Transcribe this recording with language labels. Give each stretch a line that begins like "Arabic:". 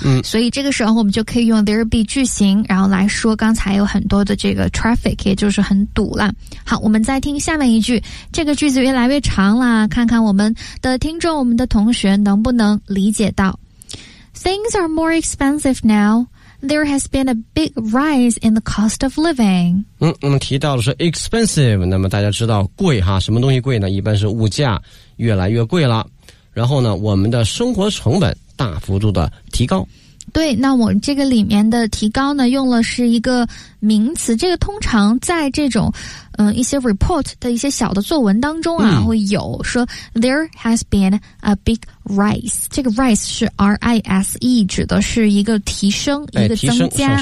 Chinese: 嗯，所以这个时候我们就可以用 there be 句型，然后来说刚才有很多的这个 traffic， 也就是很堵了。好，我们再听下面一句，这个句子越来越长了，看看我们的听众，我们的同学能不能理解到。
English: Things are more expensive now. There has been a big rise in the cost of living.
Chinese: 嗯，我们提到的是 expensive， 那么大家知道贵哈，什么东西贵呢？一般是物价越来越贵了，然后呢，我们的生活成本大幅度的提高。对，那我这个里面的提高呢，用了是一个名词，这个通常在这种一些 report 的一些小的作文当中啊，会有说
English: there has been a big rise，
Chinese: 这个 rise 是 R-I-S-E， 指的是一个提升，一个增加，